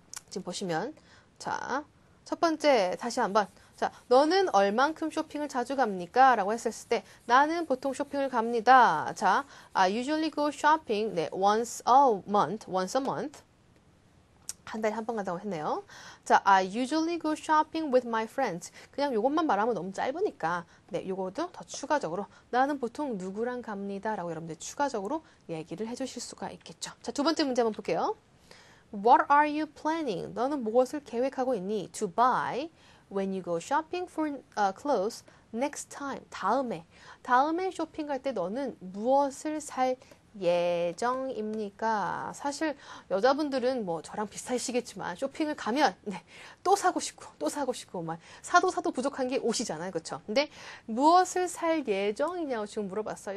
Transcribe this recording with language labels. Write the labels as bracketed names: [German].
[Korean] 지금 보시면 자, 첫 번째 다시 한번. 자, 너는 얼만큼 쇼핑을 자주 갑니까? 라고 했을 때, 나는 보통 쇼핑을 갑니다. [English] 자, I usually go shopping, 네, once a month, [Korean] 한 달에 한번 간다고 했네요. [English] 자, I usually go shopping with my friends. [Korean] 그냥 이것만 말하면 너무 짧으니까, 네, 이것도 더 추가적으로 나는 보통 누구랑 갑니다라고 여러분들 추가적으로 얘기를 해주실 수가 있겠죠. 자, 두 번째 문제 한번 볼게요. [English] What are you planning? [Korean] 너는 무엇을 계획하고 있니? [English] To buy when you go shopping for clothes next time. [Korean] 다음에. 다음에 쇼핑할 때 너는 무엇을 살 예정입니까? 사실 여자분들은 뭐 저랑 비슷하시겠지만 쇼핑을 가면 네, 또 사고 싶고 또 사고 싶고 막 사도 사도 부족한 게 옷이잖아요. 그렇죠? 근데 무엇을 살 예정이냐고 지금 물어봤어요.